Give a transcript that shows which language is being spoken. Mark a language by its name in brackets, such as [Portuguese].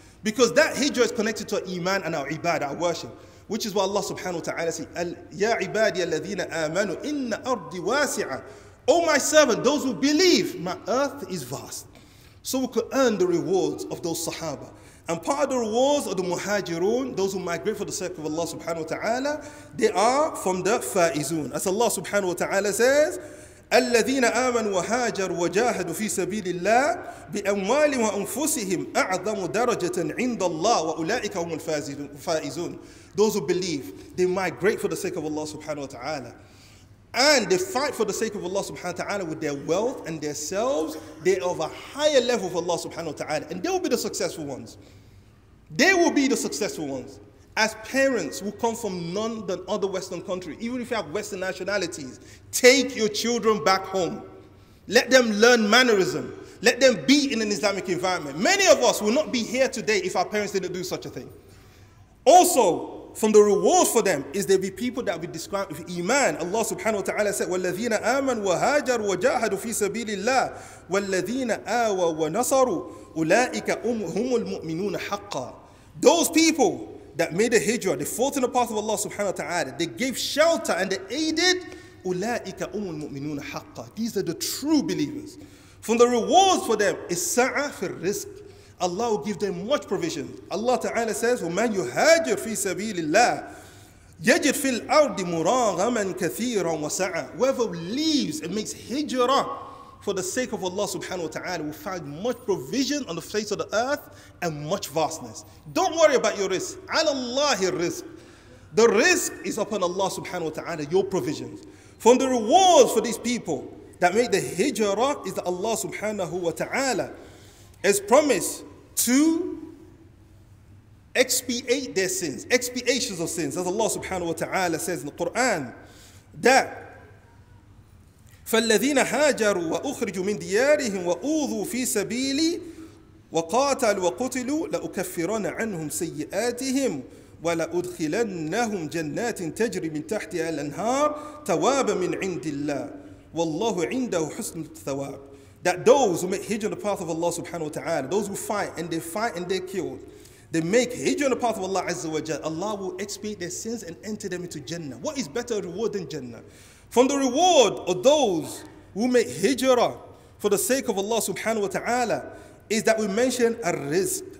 [English] Because that hijrah is connected to our iman and our ibadah, our worship, which is what Allah subhanahu wa ta'ala says, [Arabic] Ya ibadi alladhina amanu inna ardi wasi'a. [English] Oh my servant, those who believe, my earth is vast. So we could earn the rewards of those sahaba. And part of the rewards of the muhajirun, those who migrate for the sake of Allah subhanahu wa ta'ala, they are from the faizun. As Allah subhanahu wa ta'ala says, [Arabic] الَّذِينَ آمَنُوا وَهَاجَرُوا وَجَاهَدُوا فِي سَبِيلِ اللَّهِ بِأَمْوَالِ وَأَنفُسِهِمْ أَعْظَمُ دَرَجَةً عِنْدَ اللَّهِ وَأُولَٰئِكَ هُمُ الْفَائِزُونَ. [English] Those who believe, they migrate for the sake of Allah subhanahu wa ta'ala. And they fight for the sake of Allah subhanahu wa ta'ala with their wealth and their selves. They are of a higher level for Allah subhanahu wa ta'ala. And they will be the successful ones. They will be the successful ones. As parents who come from none than other Western countries, even if you have Western nationalities, take your children back home. Let them learn mannerism. Let them be in an Islamic environment. Many of us will not be here today if our parents didn't do such a thing. Also, from the reward for them is there be people that we describe with iman. Allah subhanahu wa ta'ala said, [Arabic] وَالَّذِينَ آمَنْ وَهَاجَرُ وَجَاهَدُ فِي سَبِيلِ اللَّهِ وَالَّذِينَ آوَى وَنَصَرُوا أُولَٰئِكَ هُمُ الْمُؤْمِنُونَ حَقَّى. [English] Those people that made a hijrah, they fought in the path of Allah subhanahu wa ta'ala, they gave shelter and they aided, [Arabic] أُولَٰئِكَ هُمُ الْمُؤْمِنُونَ حَقَّى. [English] These are the true believers. From the rewards for them is [Arabic] سَعَى فِي الرِّزْقِ. [English] Allah will give them much provision. Allah Ta'ala says, [Arabic] وَمَنْ يُهَاجِرْ فِي سَبِيلِ اللَّهِ يَجِدْ فِي الْأَرْضِ مُرَاغَمًا كَثِيرًا وَسَعًا. [English] Whoever leaves and makes hijrah for the sake of Allah subhanahu wa ta'ala will find much provision on the face of the earth and much vastness. Don't worry about your risk. [Arabic] عَلَى اللَّهِ الرِّزْقِ. [English] The risk is upon Allah subhanahu wa ta'ala, your provisions. From the rewards for these people that make the hijrah is that Allah subhanahu wa ta'ala has promised to expiate their sins, expiations of sins. As Allah subhanahu wa ta'ala says in the Quran, that [Arabic] فَالَّذِينَ هَاجَرُوا وَأُخْرِجُوا مِنْ دِيَارِهِمْ وَأُوذُوا فِي سَبِيلِي وَقَاتَلُوا وَقُتِلُوا لَأُكَفِّرَنَ عَنْهُمْ سَيِّئَاتِهِمْ وَلَأُدْخِلَنَّهُمْ جَنَّاتٍ تَجْرِي مِنْ تَحْتِهَا الْأَنْهَارِ ثَوَابًا مِنْ عِنْدِ اللَّهِ وَاللَّهُ عِنْدَهُ حُسْنُ الثَّوَابِ. [English] That those who make hijrah on the path of Allah subhanahu wa ta'ala, those who fight and they kill, they make hijrah on the path of Allah azza wa jal, Allah will expiate their sins and enter them into Jannah. What is better reward than Jannah? From the reward of those who make hijrah for the sake of Allah subhanahu wa ta'ala is that we mention a risk.